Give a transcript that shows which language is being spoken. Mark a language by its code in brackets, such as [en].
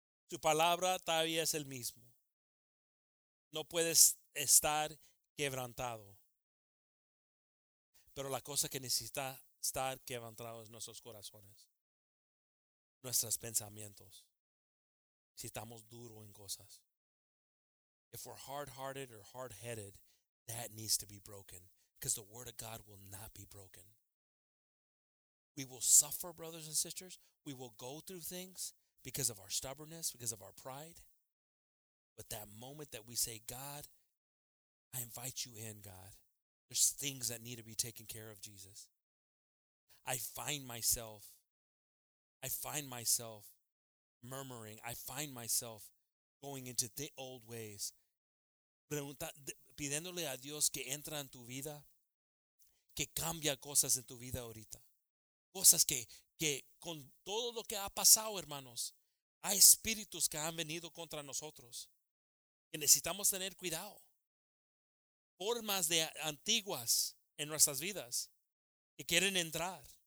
[es] Su palabra todavía es el mismo. No puedes estar quebrantado. Pero la cosa que necesita estar quebrantado es nuestros corazones, nuestros pensamientos. Si estamos duros en cosas. [en] If we're hard-hearted or hard-headed, that needs to be broken, because the word of God will not be broken. We will suffer, brothers and sisters. We will go through things because of our stubbornness, because of our pride. But that moment that we say, God, I invite you in, God. There's things that need to be taken care of, Jesus. I find myself murmuring. I find myself going into the old ways. [es] Pidiéndole a Dios que entra en tu vida, que cambia cosas en tu vida ahorita. Cosas que con todo lo que ha pasado, hermanos, hay espíritus que han venido contra nosotros. Que necesitamos tener cuidado. Formas de antiguas en nuestras vidas que quieren entrar.